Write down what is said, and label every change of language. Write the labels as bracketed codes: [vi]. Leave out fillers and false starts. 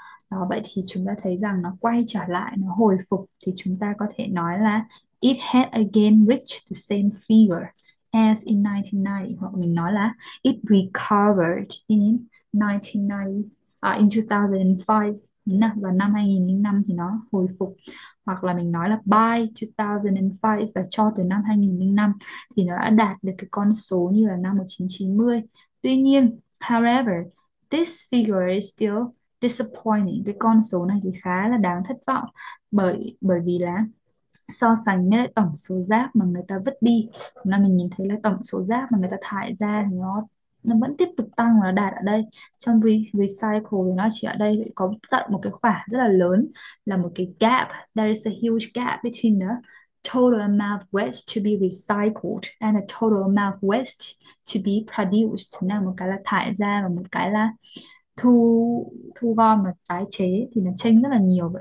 [vi] Đó, vậy thì chúng ta thấy rằng nó quay trở lại, nó hồi phục thì chúng ta có thể nói là [en] it had again reached the same figure as in 1990, [vi] hoặc mình nói là [en] it recovered in 1990, in 2005, [vi] nào, vào năm 2005 thì nó hồi phục, hoặc là mình nói là [en] by 2005 [vi] và cho tới năm 2005 thì nó đã đạt được cái con số như là năm 1990. Tuy nhiên, [en] however, this figure is still disappointing. [vi] Cái con số này thì khá là đáng thất vọng bởi vì là so sánh với tổng số rác mà người ta vứt đi, là mình nhìn thấy là tổng số rác mà người ta thải ra thì nó vẫn tiếp tục tăng và nó đạt ở đây. Trong recycle thì nó chỉ ở đây có tận một cái khoảng rất là lớn, là một cái gap, [en] there is a huge gap between the total amount of waste to be recycled and the total amount of waste to be produced. [vi] Nên một cái là thải ra và một cái là thu gom và tái chế thì nó chênh rất là nhiều.